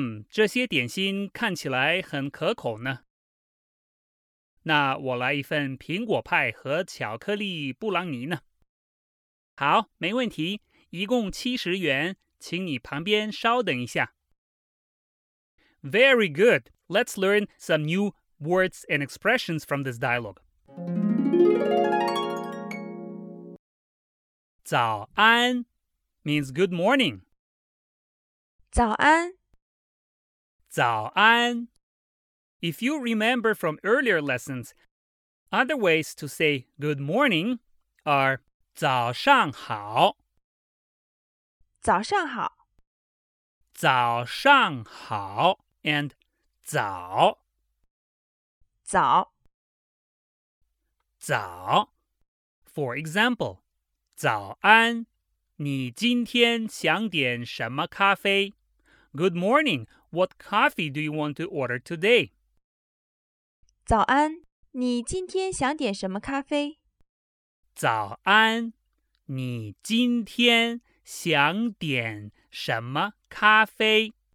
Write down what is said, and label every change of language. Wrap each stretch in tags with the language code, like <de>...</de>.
<zh>这些点心看起来很可口呢。那我来一份苹果派和巧克力布朗尼呢。好，没问题，一共70元，请你旁边稍等一下。</zh> <en>Very good. Let's learn some new words and expressions from this dialogue.</en> <zh>早安</zh> <en>means good morning.</en> <zh>早安。早安。</zh> <en>If you remember from earlier lessons, other ways to say good morning are</en> <zh>早上好。早上好。早上好</zh> <en>and</en> <zh>早。早。早。</zh> <en>For example,</en> <zh>早安，你今天想点什么咖啡？</zh> <en>Good morning, what coffee do you want to order today?</en> <zh>早安，你今天想点什么咖啡？早安，你今天想点什么咖啡？</zh>